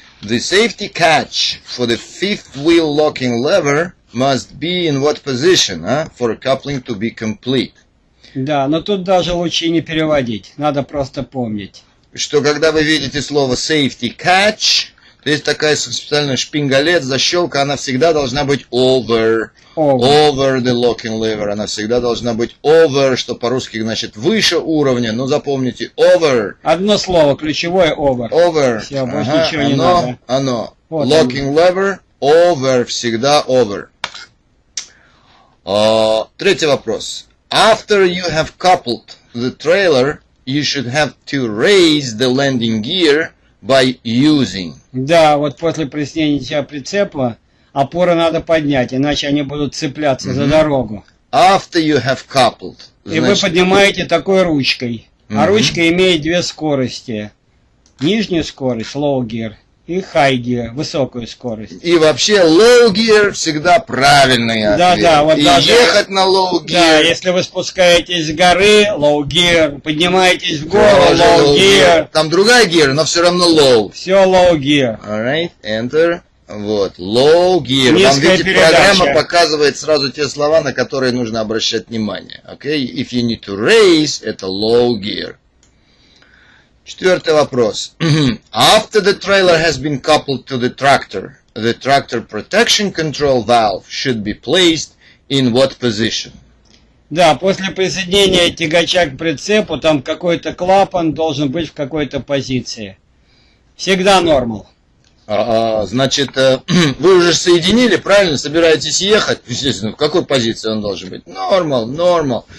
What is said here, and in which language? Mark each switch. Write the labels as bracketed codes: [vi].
[en] The safety catch for the fifth wheel locking lever must be in what position, for coupling to be complete? [ru] Да, но тут даже лучше не переводить, надо просто помнить. Что когда вы видите слово safety catch, то есть такая специальная шпингалет, защелка, она всегда должна быть [en] over the locking lever. [ru] Она всегда должна быть over, что по-русски значит выше уровня, но запомните, over. Одно слово, ключевое over. [en] Over. [ru] Все, больше ничего не оно, надо. Оно, вот locking он. Lever, over, всегда over. Третий вопрос. [en] After you have coupled the trailer, you should have to raise the landing gear by using. [ru] Да, вот после приснения тебя прицепа опоры надо поднять, иначе они будут цепляться за дорогу. [en] After you have coupled. [ru] Значит, и вы поднимаете такой ручкой. А ручка имеет две скорости. Нижнюю скорость, low gear, и high gear, высокую скорость. И вообще low gear всегда правильный ответ. Да, да, вот и даже, ехать на low gear. Да, если вы спускаетесь с горы, low gear, поднимаетесь в гору, low gear. Там другая gear, но все равно low. Все low gear. [en] Alright, enter. Вот, low gear. [ru] Низкая вам, видите, передача. Программа показывает сразу те слова, на которые нужно обращать внимание. [en] Okay? If you need to raise, это low gear. [ru] Четвертый вопрос. [en] After the trailer has been coupled to the tractor protection control valve should be placed in what position? [ru] Да, после присоединения тягача к прицепу, там какой-то клапан должен быть в какой-то позиции. Всегда нормал. Значит, вы уже соединили, правильно? Собираетесь ехать? Естественно, в какой позиции он должен быть? Нормал, нормал.